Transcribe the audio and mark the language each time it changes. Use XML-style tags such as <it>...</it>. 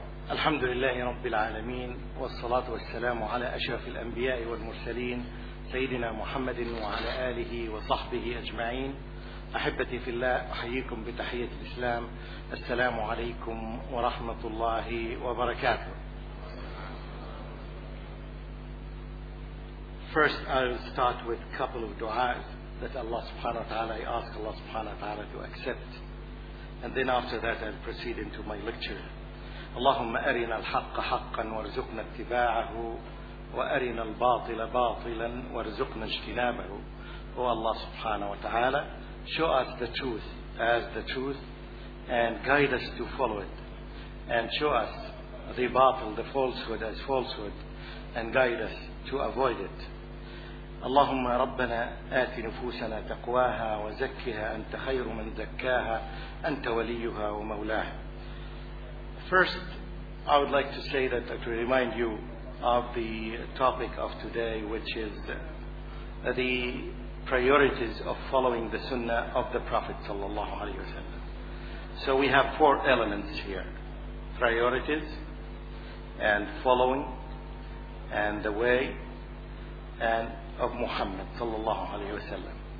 <ar>الحمد لله رب العالمين، والصلاة والسلام على أشرف الأنبياء والمرسلين سيدنا محمد وعلى آله وصحبه أجمعين. أحبتي في الله، أحييكم بتحية الإسلام، السلام عليكم ورحمة الله وبركاته.</ar> <en>First I will start with a couple of du'as that Allah subhanahu wa ta'ala, I ask Allah subhanahu wa ta'ala to accept. And then after that I'll proceed into my lecture.</en> <ar>اللهم أرنا الحق حقا وارزقنا اتباعه وأرنا الباطل باطلا وارزقنا اجتنابه. هو الله سبحانه وتعالى.</ar> <en>Show us the truth as the truth and guide us to follow it. And show us the باطل, the falsehood as falsehood and guide us to avoid it.</en> <ar>اللهم ربنا آت نفوسنا تقواها وزكها أنت خير من زكاها أنت وليها ومولاها.</ar> <en>First, I would like to say that to remind you of the topic of today, which is the priorities of following the Sunnah of the Prophet sallallahu alaihi wasallam. So we have four elements here: priorities, and following, and the way, and of Muhammad sallallahu alaihi wasallam.</en>